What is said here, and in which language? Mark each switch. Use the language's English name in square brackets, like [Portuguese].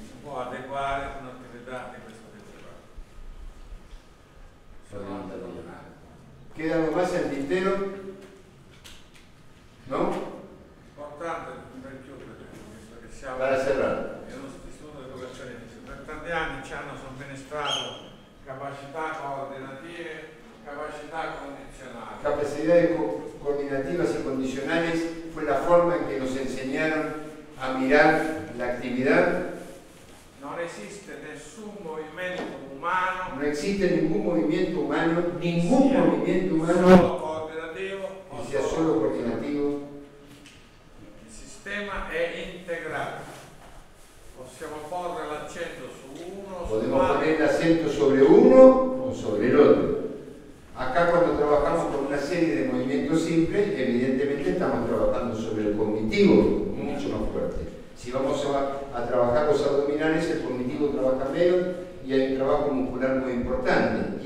[Spanish] Se puede adecuar una actividad de [Italian] questo tipo. [Spanish] Solamente no nada. ¿Queda algo más el tintero? ¿No? [Italian] Importante, per chiudere, visto che siamo... [Spanish] Para cerrar. ...en un istituto de educación física. [Italian] Per tanti anni ci hanno somministrato capacità coordinative, capacità condizionale. [Spanish] Capacidad de coordinativas y condicionales fue la forma en que nos enseñaron a mirar la actividad. No existe ningún movimiento humano. No existe ningún movimiento humano, ningún movimiento humano que sea solo coordinativo. El sistema es integrado. [Italian] Possiamo porre l'accento su uno, [Spanish] podemos poner el acento sobre uno o sobre el otro. Acá cuando trabajamos con una serie de movimientos simples, evidentemente estamos trabajando sobre el cognitivo, mucho más fuerte. Si vamos a trabajar los abdominales, el cognitivo trabaja menos y hay un trabajo muscular muy importante.